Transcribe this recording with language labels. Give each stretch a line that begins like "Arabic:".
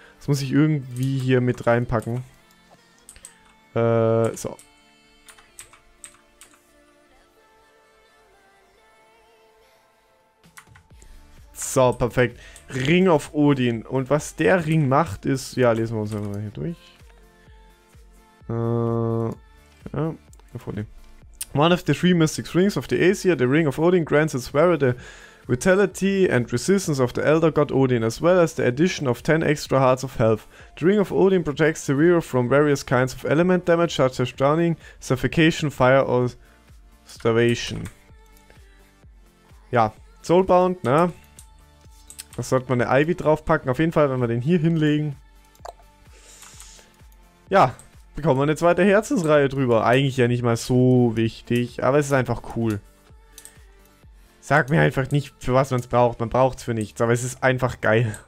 German: Das muss ich irgendwie hier mit reinpacken. So. So, perfekt. Ring auf Odin. Und was der Ring macht, ist. Ja, lesen wir uns einfach mal hier durch. Ja, vor dem.
English: One of the three mystic rings of the Aesir, the Ring of Odin grants its wearer the vitality and resistance of the Elder God Odin, as well as the addition of 10 extra hearts of health. The Ring of Odin protects the wearer from various kinds of element damage, such as drowning, suffocation, fire or starvation.
German: Ja, Soulbound, ne? Da sollte man eine Ivy draufpacken, auf jeden Fall, wenn wir den hier hinlegen. Ja. Bekommen wir eine zweite Herzensreihe drüber. Eigentlich ja nicht mal so wichtig, aber es ist einfach cool. Sag mir einfach nicht, für was man es braucht. Man braucht es für nichts, aber es ist einfach geil.